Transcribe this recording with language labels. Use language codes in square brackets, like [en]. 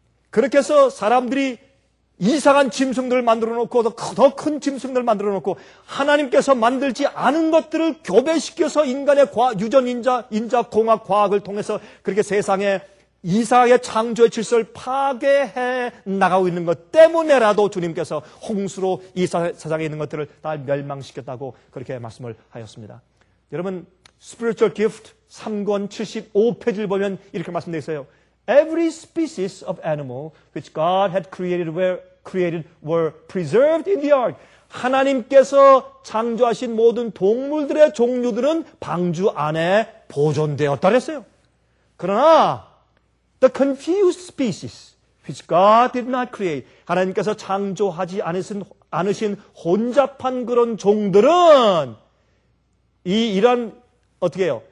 [ko] 그렇게 해서 사람들이 이상한 짐승들을 만들어 놓고 더 큰 짐승들을 만들어 놓고 하나님께서 만들지 않은 것들을 교배시켜서 인간의 유전 인자 공학 과학을 통해서 그렇게 세상에 이상의 창조의 질서를 파괴해 나가고 있는 것 때문에라도 주님께서 홍수로 이 세상에 있는 것들을 다 멸망시켰다고 그렇게 말씀을 하셨습니다. 여러분 Spiritual Gift 3권 75페이지를 보면 이렇게 말씀되어 있어요. [en] Every species of animal which God had created were preserved in the ark. [ko] 하나님께서 창조하신 모든 동물들의 종류들은 방주 안에 보존되었다 그랬어요. 그러나 [en] the confused species which God did not create [ko] 하나님께서 창조하지 않으신 혼잡한 그런 종들은 이런 어떻게 해요?